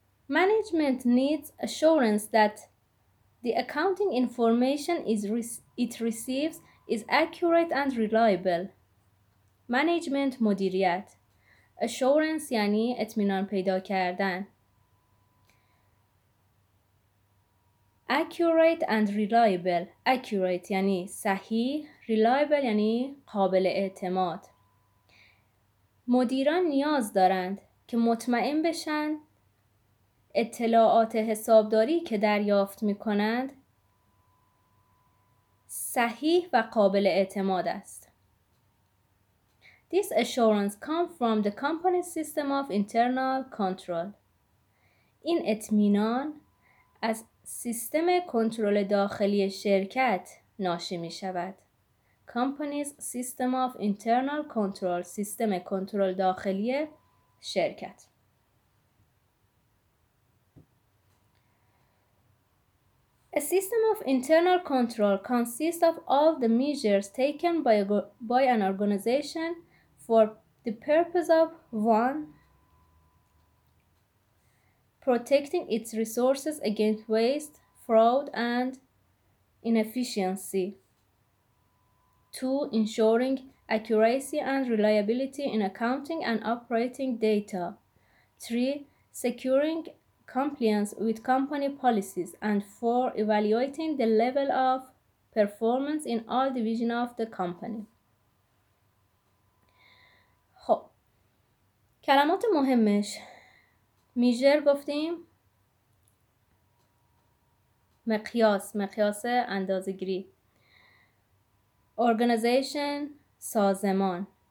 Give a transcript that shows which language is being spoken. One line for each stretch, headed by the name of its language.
English: Management needs assurance that the accounting information it receives is accurate and reliable.
Persian: Management مدیریت. Assurance یعنی اطمینان پیدا کردن.
English: Accurate and reliable. Accurate
Persian: یعنی صحیح. Reliable یعنی قابل اعتماد. مدیران نیاز دارند که مطمئن بشن اطلاعات حسابداری که دریافت می کنند صحیح و قابل اعتماد است.
English: This assurance comes from the company system of internal control.
Persian: این اطمینان از سیستم کنترل داخلی شرکت ناشی می شود.
English: Company's system of internal control.
Persian: سیستم کنترل داخلی شرکت.
English: A system of internal control consists of all the measures taken by an organization for the purpose of one, protecting its resources against waste, fraud, and inefficiency. Two, ensuring accuracy and reliability in accounting and operating data. 3. Securing compliance with company policies. And 4. Evaluating the level of performance in all divisions of the company.
Persian: خب کلمات مهمش میجر گفتیم، مقیاس، مقیاس اندازه‌گیری، organization، سازمان،